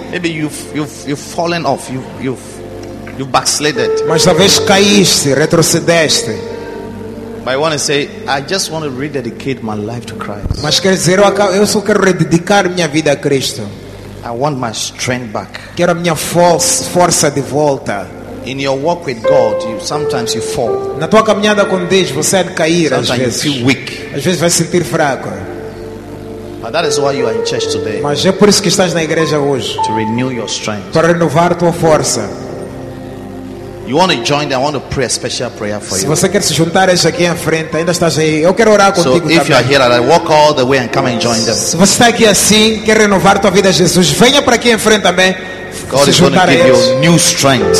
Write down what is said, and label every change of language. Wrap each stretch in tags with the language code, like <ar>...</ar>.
<en>Maybe you've fallen off. You've backslided.</en> <pt>Mas talvez caíste, retrocedeste.</pt> <en>But I want to say, I just want to rededicate my life to Christ.</en> <pt>Mas quer dizer, eu só quero rededicar minha vida a Cristo.</pt> <en>I want my strength back.</en> <pt>Quero a minha força de volta.</pt> <en>In your walk with God, sometimes you fall.</en> <pt>Na tua caminhada com Deus, você é de cair às vezes.</pt> <en>Sometimes you feel weak.</en> <pt>Às vezes vai sentir fraco.</pt> <en>But that is why you are in church today.</en> <pt>Mas é por isso que estás na igreja hoje.</pt> <en>To renew your strength.</en> <pt>Para renovar tua força.</pt> <en>You want to join? I want to pray a special prayer for you.</en> <pt>Se você quer se juntar aqui em frente, ainda estás aí. Eu quero orar contigo também.</pt> <en>So if you are here, I walk all the way and come and join them.</en> <pt>Se você está aqui assim, quer renovar tua vida, Jesus, venha para aqui em frente também.</pt> <en>God is going to give you new strength.</en>